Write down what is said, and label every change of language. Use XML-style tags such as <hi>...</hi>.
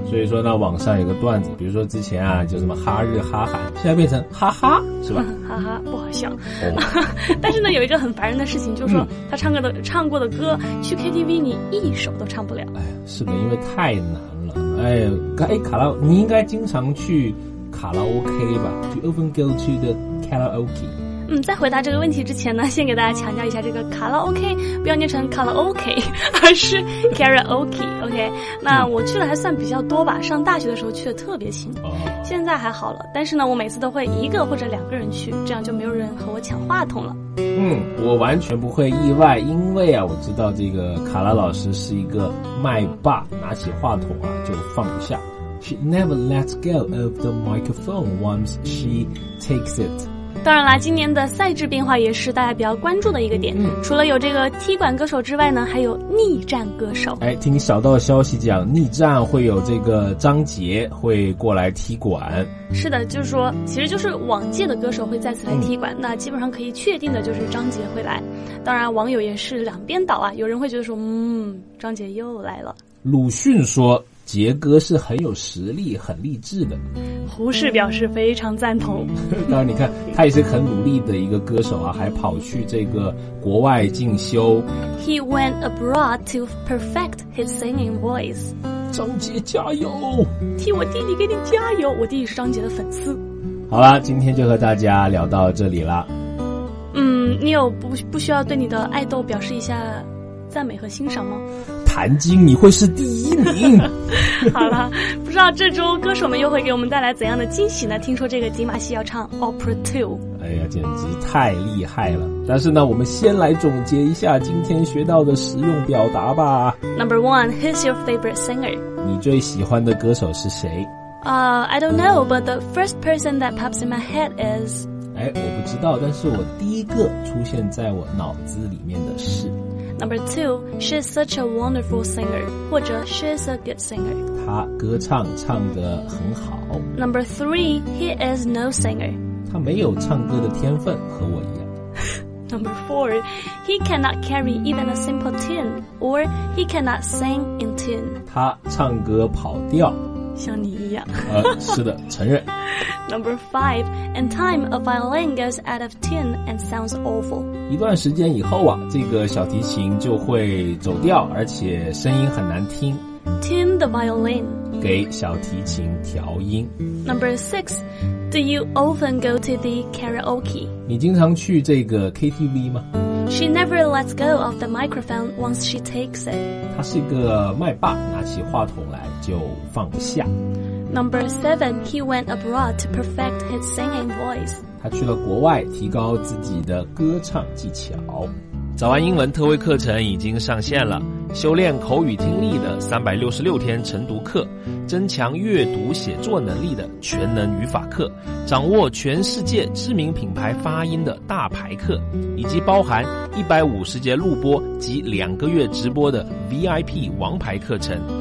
<zh>所以说呢，网上有个段子，比如说之前啊就什么哈日哈韩，现在变成哈哈是吧？哈哈不好笑。但是呢，有一个很烦人的事情，就是说他唱过的歌，去 KTV 你一首都唱不了。哎，是的，因为太难了。哎，卡拉，你应该经常去卡拉 OK 吧？</zh> <en>Do you often go to the karaoke？</en> <zh>在回答这个问题之前呢，先给大家强调一下，这个卡拉 OK 不要念成卡拉 OK， 而是 karaoke。 OK， 那我去的还算比较多吧，上大学的时候去的特别勤，现在还好了。但是呢，我每次都会一个或者两个人去，这样就没有人和我抢话筒了。我完全不会意外，因为啊，我知道这个卡拉老师是一个麦霸，拿起话筒啊就放不下。</zh> <en>She never lets go of the microphone once she takes it。</en> <zh>当然啦，今年的赛制变化也是大家比较关注的一个点。除了有这个踢馆歌手之外呢，还有逆战歌手。哎，听小道消息讲，逆战会有这个张杰会过来踢馆。是的，就是说，其实就是往届的歌手会再次来踢馆。那基本上可以确定的就是张杰会来。当然，网友也是两边倒啊，有人会觉得说，张杰又来了。鲁迅说，杰哥是很有实力很励志的。胡适表示非常赞同。当然你看他也是很努力的一个歌手啊，还跑去这个国外进修。</zh> <en>He went abroad to perfect his singing voice。</en> <zh>张杰加油，替我弟弟给你加油，我弟弟是张杰的粉丝。好了，今天就和大家聊到这里了。你有不需要对你的爱豆表示一下赞美和欣赏吗？谭晶，你会是第一名。好了，不知道这周歌手们又会给我们带来怎样的惊喜呢？听说这个迪玛希要唱 Opera 2。哎呀，简直太厉害了。但是呢，我们先来总结一下今天学到的实用表达吧。</zh> <en>Number one, who's your favorite singer?</en> <zh>你最喜欢的歌手是谁？</zh> <en>I don't know, but the first person that pops in my head is...</en> <zh>哎，我不知道，但是我第一个出现在我脑子里面的是</zh> <en>Number two, she's such a wonderful singer,</en> <zh>或者</zh> <en>she's a good singer.</en> <zh>她歌唱唱得很好。</zh> <en>Number three, he is no singer.</en> <zh>她没有唱歌的天分，和我一样。</zh> <en>Number four, he cannot carry even a simple tune, or he cannot sing in tune.</en> <zh>她唱歌跑调。像你一样。是的，承认。</zh> <en>Number five, in time, a violin goes out of tune and sounds awful.</en> <zh>一段时间以后啊，这个小提琴就会走调，而且声音很难听。</zh> <en>Tune the violin.</en> <zh>给小提琴调音。</zh> <en>Number six, do you often go to the karaoke?</en> <zh>你经常去这个 KTV 吗？</zh> <en>She never lets go of the microphone once she takes it.</en> <zh>她是一个麦霸，拿起话筒来就放不下。</zh> <en>Number seven, he went abroad to perfect his singing voice.</en> <zh>他去了国外，提高自己的歌唱技巧。早安英文特惠课程已经上线了，修炼口语听力的366天晨读课，增强阅读写作能力的全能语法课，掌握全世界知名品牌发音的大牌课，以及包含150节录播及2个月直播的 VIP 王牌课程。</zh>